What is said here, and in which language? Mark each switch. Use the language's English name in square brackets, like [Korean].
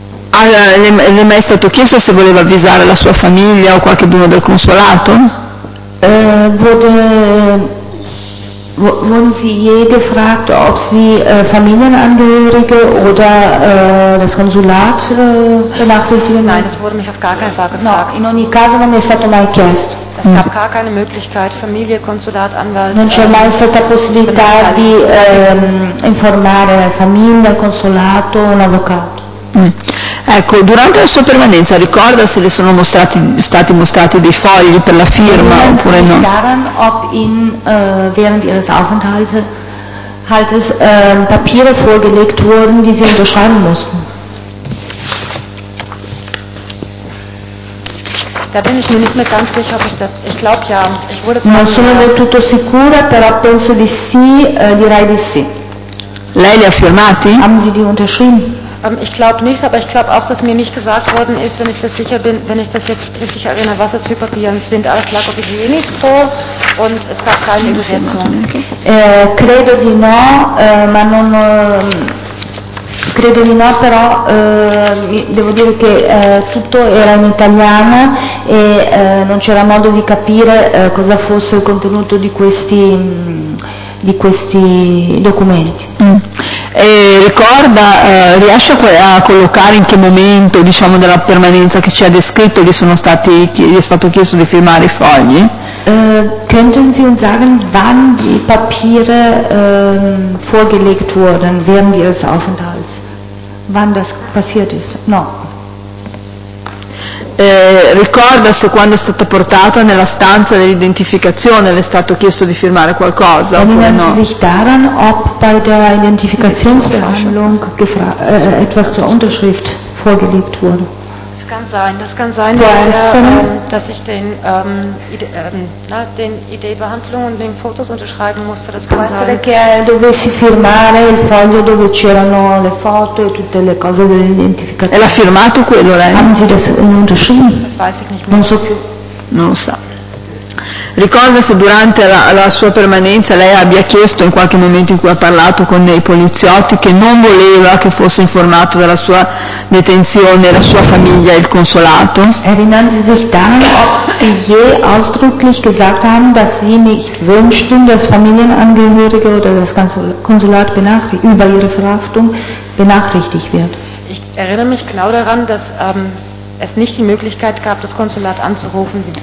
[Italian] Le è mai stato chiesto se voleva avvisare la sua famiglia o qualcuno del consolato? [German] Wurden Sie je gefragt, ob Sie Familienangehörige oder das Konsulat benachrichtigen? Nein, das wurde mich auf gar keinen Fall gefragt. [Italian] No, in ogni caso non è stato mai chiesto. [German] Es gab gar keine Möglichkeit, Familie, Konsulat, Anwalt. [Italian] Non c'è mai stata possibilità di informare famiglia, consolato, un avvocato. Ecco, durante la sua permanenza ricorda se le sono stati mostrati dei fogli per la firma oppure no? [German] Daran, ob ihm während ihres Aufenthaltes Papiere vorgelegt wurden, die sie unterschreiben mussten. Da bin ich mir nicht mehr ganz sicher, ob ich glaube ja, ich wurde es. [Italian] Non sono del tutto sicura, però penso di sì, direi di sì. Lei li ha firmati? [German] Haben Sie die unterschrieben? Ich glaube nicht, aber ich glaube auch, dass mir nicht gesagt worden ist, wenn ich das sicher bin, wenn ich das jetzt richtig erinnere, was das für Papiere sind. Alles lag auf Hygienis vor und es gab keine Übersetzung. [Italian] Credo di no, ma non. Credo di no, però devo dire che tutto era in italiano e non c'era modo di capire cosa fosse il contenuto di questi. Di questi documenti. E ricorda, riesce a collocare in che momento, diciamo, della permanenza che ci ha descritto gli è stato chiesto di firmare i fogli? [German] Könnten Sie uns sagen, wann die Papiere vorgelegt wurden während ihres Aufenthalts? Wann das passiert ist? No. [Italian] Ricorda se quando è stata portata nella stanza dell'identificazione le è stato chiesto di firmare qualcosa oppure no? [German] Sie sich daran, ob bei der Identifikationsverhandlung etwas zur Unterschrift vorgelegt wurde. Das kann sein, dass ich den ID-Behandlung und den Fotos unterschreiben musste. Das kann sein. [Italian] Che dovessi firmare il foglio dove c'erano le foto e tutte le cose dell'identificazione. E l'ha firmato quello, lei? [German] Haben Sie das unterschrieben? Das weiß ich nicht mehr. [Italian] Non so più. Non lo sa. Ricorda se durante la sua permanenza lei abbia chiesto in qualche momento in cui ha parlato con dei poliziotti che non voleva che fosse informato della sua detenzione, la sua famiglia e il consolato? [German] Erinnern Sie sich daran, ob Sie je ausdrücklich gesagt haben, dass Sie nicht wünschten, dass Familienangehörige oder das Konsulat über Ihre Verhaftung benachrichtigt wird? Ich erinnere mich genau daran, dass es nicht die Möglichkeit gab, das Konsulat anzurufen.